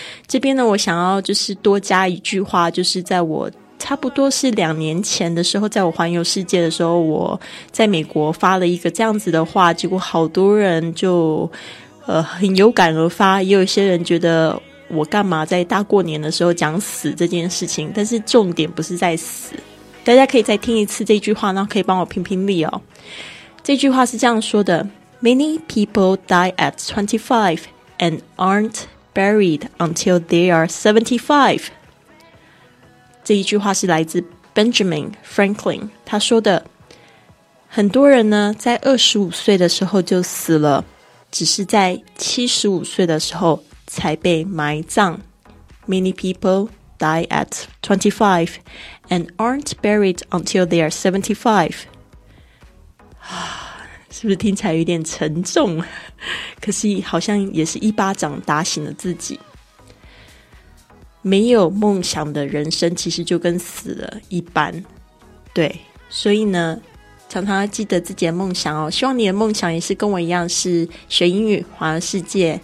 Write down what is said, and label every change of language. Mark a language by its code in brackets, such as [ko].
[zh] 这边呢我想要就是多加一句话，就是在我差不多是两年前的时候，在我环游世界的时候，我在美国发了一个这样子的话，结果好多人就很有感而发，也有一些人觉得我干嘛在大过年的时候讲死这件事情，但是重点不是在死。大家可以再听一次这句话，然后可以帮我评评理哦。这句话是这样说的， [en] Many people die at 25 and aren't buried until they are 75. [zh] 这一句话是来自 Benjamin Franklin， 他说的，很多人呢在25岁的时候就死了，只是在75岁的时候才被埋葬。 [en] Many people die at 25 and aren't buried until they are 75. [zh] 是不是听起来有点沉重？可是好像也是一巴掌打醒了自己。没有梦想的人生其实就跟死了一般。对，所以呢常常记得自己的梦想哦，希望你的梦想也是跟我一样是学英语环游世界。